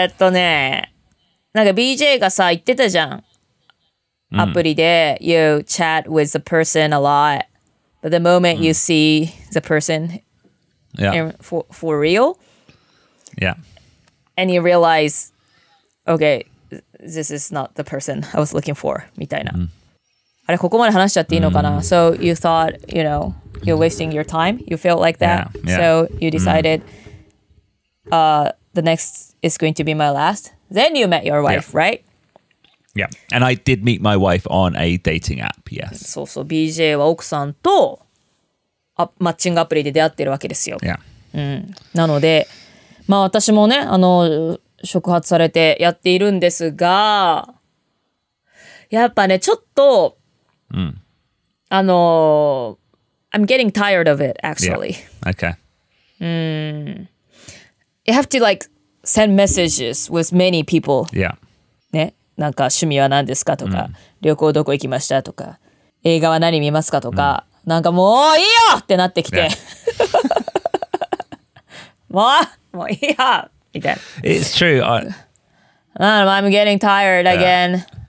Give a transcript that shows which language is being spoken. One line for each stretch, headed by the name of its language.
Japanese: ね、なんか BJ がさ、言ってたじゃん。アプリで
English: you chat with the person a lot, but the moment you see the person for real, yeah, and you realize, okay, this is not the person I was looking for,
Japanese: みたいな。あれ、ここまで話しちゃっていいのかな?
English: So you thought, you know, you're wasting your time, you felt like that, so you decided, the next is going to be my last. Then you met your wife, right? Yeah, and I did meet my wife on a dating app, yes.
Japanese: そうそう、BJ は奥さんとマッチングアプリで出会ってるわけですよ。
English: Yeah.
Japanese: うん、なので、まあ私もね、触発されてやっているんですが、やっぱね、ちょっと、
English: I'm getting tired of it, actually. Yeah. Okay. You have to, like, send messages with many people. Yeah.
Japanese: ね。なんか趣味は何ですかとか、旅行どこ行きましたとか、映画は何見ますかとか、なんかもういいよってなってきて、yeah. もういいよみたいな。
English: It's true. I'm getting tired again.、Yeah.